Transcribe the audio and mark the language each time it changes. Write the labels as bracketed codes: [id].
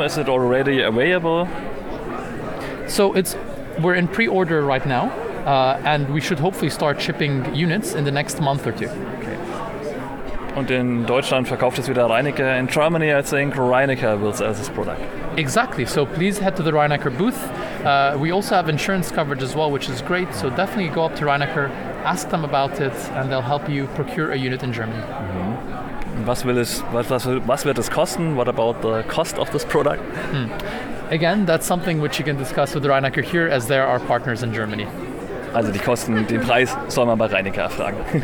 [en] Is it already available? So it's, we're in pre-order right now. And we should hopefully start shipping units in the next month or two. Okay. [de] Und in Deutschland verkauft es wieder Reinecker. [en] In Germany, I think Reinecker will sell this product. Exactly. So please head to the Reinecker booth. We also have insurance coverage as well, which is great. So definitely go up to Reinecker, ask them about it, and they'll help you procure a unit in Germany. [de] Mm-hmm. Was wird es kosten? [en] What about the cost of this product? Again, that's something which you can discuss with Reinecker here, as they're our partners in Germany. [de] Also die Kosten, den Preis soll man bei Reinecker fragen.